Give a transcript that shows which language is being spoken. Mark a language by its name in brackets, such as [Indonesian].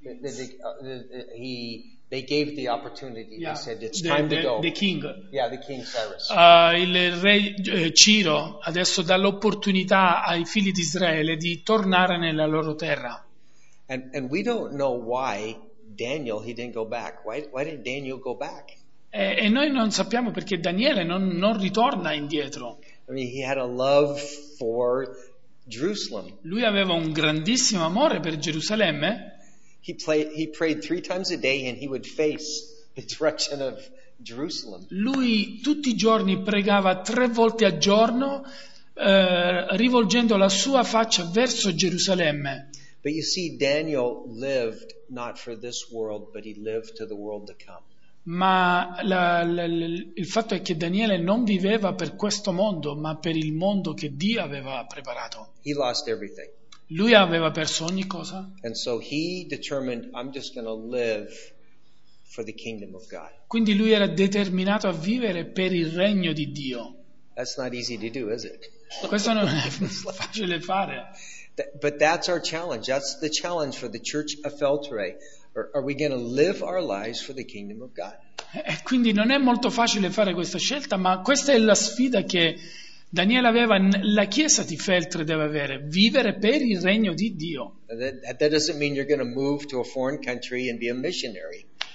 [English] they gave the opportunity. Yeah. They said it's time to go. The king. Yeah, the king Cyrus. [Italian] Il re Ciro adesso dà l'opportunità ai figli di Israele di tornare nella loro terra. [English] And we don't know why Daniel he didn't go back. Why didn't Daniel go back? [Italian] E noi non sappiamo perché Daniele non ritorna indietro. [English] I mean, he had a love for Jerusalem. [Italian] Lui aveva un grandissimo amore per Gerusalemme. [English] He prayed 3 times a day and he would face the direction of Jerusalem. [Italian] Lui tutti i giorni pregava 3 volte al giorno rivolgendo la sua faccia verso Gerusalemme. [English] But you see, Daniel lived not for this world, but he lived to the world to come. [Italian] Ma il fatto è che Daniele non viveva per questo mondo, ma per il mondo che Dio aveva preparato. [English] He lost everything. [Italian] Lui aveva perso ogni cosa. [English] And so he determined, I'm just going to live for the kingdom of God. [Italian] Quindi lui era determinato a vivere per il regno di Dio. [English] That's not easy to do, is it? [Italian] Questo non è facile fare. [English] But that's our challenge. That's the challenge for the Church of Feltre. Are we going to live our lives for the kingdom of God? [Italian] E quindi non è molto facile fare questa scelta, ma questa è la sfida che Daniele aveva, la chiesa di Feltre deve avere, vivere per il regno di Dio. [English] That doesn't mean you're going to move to a foreign country and be a missionary.